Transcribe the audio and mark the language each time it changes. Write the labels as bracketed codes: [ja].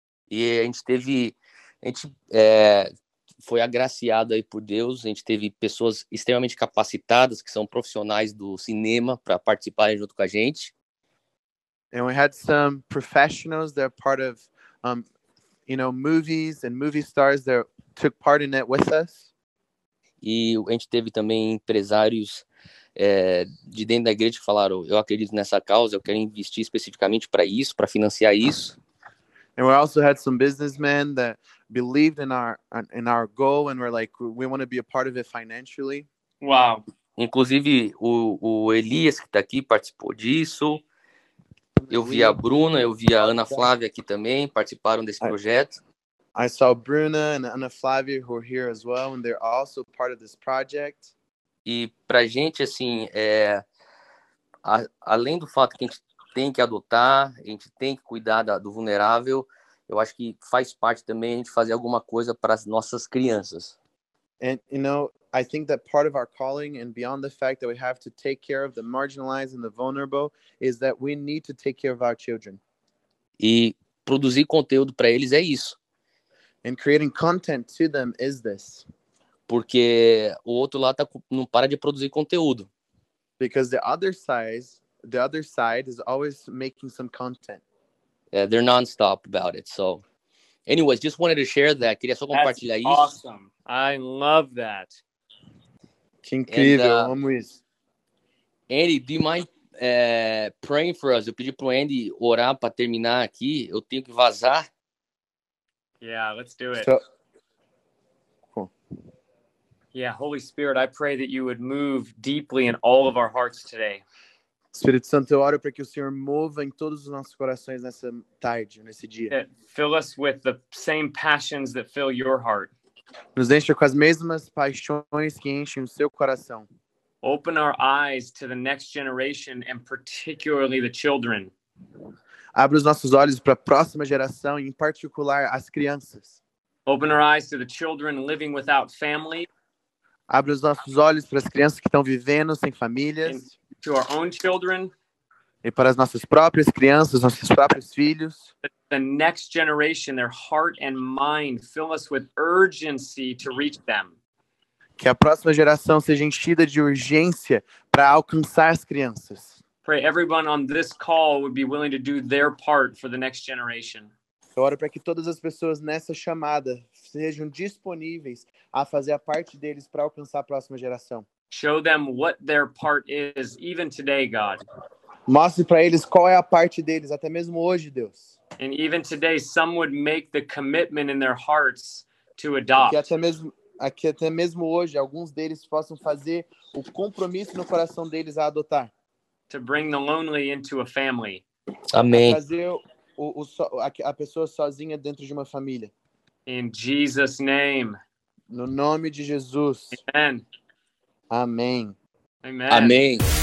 [pt] E a gente foi agraciado aí por Deus, a gente teve pessoas extremamente capacitadas, que são profissionais do cinema, para participarem junto com a gente. [en] And we had some professionals that are part of, you know, movies and movie stars that took part in it with us. [pt] E a gente teve também empresários de dentro da igreja que falaram, eu acredito nessa causa, eu quero investir especificamente para isso, para financiar isso. [en] And we also had some businessmen that believed in our goal and were like, we want to be a part of it financially. Wow. [pt] Inclusive o Elias, que está aqui, participou disso. Eu vi a Bruna, eu vi a Ana Flávia aqui também, participaram desse projeto. [en] I saw Bruna and Ana Flávia, who are here as well, and they're also part of this project. [pt] E pra gente, assim, além do fato que a gente tem que adotar, a gente tem que cuidar do vulnerável, eu acho que faz parte também a gente fazer alguma coisa para as nossas crianças. [en] And, you know, I think that part of our calling and beyond the fact that we have to take care of the marginalized and the vulnerable is that we need to take care of our children. [pt] E produzir conteúdo para eles é isso. [en] And creating content to them is this. [pt] Porque o outro lado não para de produzir conteúdo. [en] Because the other side is always making some content. They're nonstop about it. So, anyways, just wanted to share that. [pt] Queria só compartilhar isso. [en] That's awesome. I love that. [pt] Que incrível. Amo isso. [en] Andy, do you mind praying for us? [pt] Eu pedi pro Andy orar para terminar aqui. Eu tenho que vazar. [en] Yeah, let's do it. So, cool. Yeah, Holy Spirit, I pray that you would move deeply in all of our hearts today. [pt] Espírito Santo, eu oro para que o Senhor mova em todos os nossos corações nessa tarde, nesse dia. [en] That fill us with the same passions that fill your heart. [pt] Nos encha com as mesmas paixões que enchem o seu coração. [en] Open our eyes to the next generation and particularly the children. [pt] Abre os nossos olhos para a próxima geração, em particular as crianças. [en] Open our eyes to the children living without family. [pt] Abre os nossos olhos para as crianças que estão vivendo sem famílias. [en] And to our own children. [pt] E para as nossas próprias crianças, nossos próprios filhos. [en] The next generation, their heart and mind fill us with urgency to reach them. [pt] Que a próxima geração seja enchida de urgência para alcançar as crianças. [en] Pray everyone on this call would be willing to do their part for the next generation. [pt] Eu oro para que todas as pessoas nessa chamada sejam disponíveis a fazer a parte deles para alcançar a próxima geração. [en] Show them what their part is, even today, God. [pt] Mostre para eles qual é a parte deles, até mesmo hoje, Deus. [en] And even today, some would make the commitment in their hearts to adopt. [pt] Aqui até mesmo hoje, alguns deles possam fazer o compromisso no coração deles a adotar. [en] To bring the lonely into a family. [pt] Amém. Fazer a pessoa sozinha dentro de uma família. [en] In Jesus' name. [pt] No nome de Jesus. [en] Amen. [pt] Amém. [en] Amen. [pt] Amém.